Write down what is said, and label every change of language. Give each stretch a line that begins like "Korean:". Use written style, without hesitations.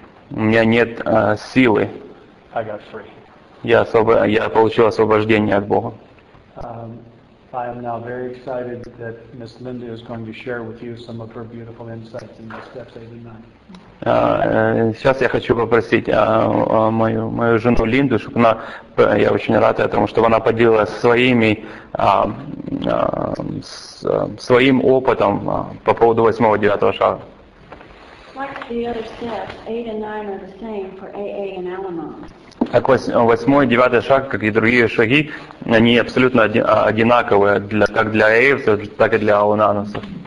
Russian: У меня нет силы. Я получил освобождение от Бога.
English: I am now very excited that Miss Linda is going to share with you some of her beautiful insights in the steps 8 and 9.
Russian: Сейчас я хочу попросить мою жену Линду, чтобы она, я очень рад этому, чтобы она поделилась своим опытом по поводу 8-го 9-го шага.
English: Like the other steps, 8 and 9 are the same for AA and Al-Anon.
Russian: Так восьмой, девятый шаг, как и другие шаги, они абсолютно одинаковые, как для эйвсов, так и для аунаносов.